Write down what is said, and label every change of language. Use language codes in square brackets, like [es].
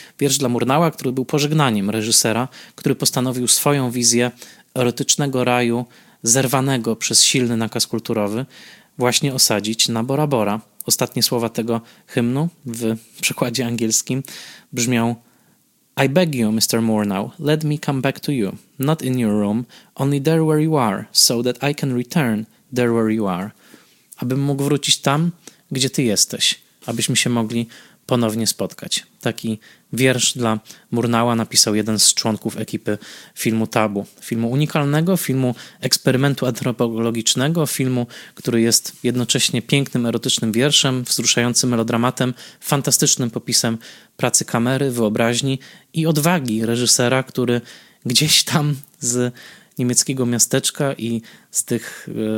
[pl] Wiersz dla Murnała, który był pożegnaniem reżysera, który postanowił swoją wizję erotycznego raju zerwanego przez silny nakaz kulturowy właśnie osadzić na Bora Bora. Ostatnie słowa tego hymnu w przekładzie angielskim brzmią: [en] I beg you, Mr. Murnau, let me come back to you, not in your room, only there where you are, so that I can return there where you are. [pl] Abym mógł wrócić tam, gdzie ty jesteś, abyśmy się mogli ponownie spotkać. Taki wiersz dla Murnała napisał jeden z członków ekipy filmu Tabu. Filmu unikalnego, filmu eksperymentu antropologicznego, filmu, który jest jednocześnie pięknym, erotycznym wierszem, wzruszającym melodramatem, fantastycznym popisem pracy kamery, wyobraźni i odwagi reżysera, który gdzieś tam z niemieckiego miasteczka i z tych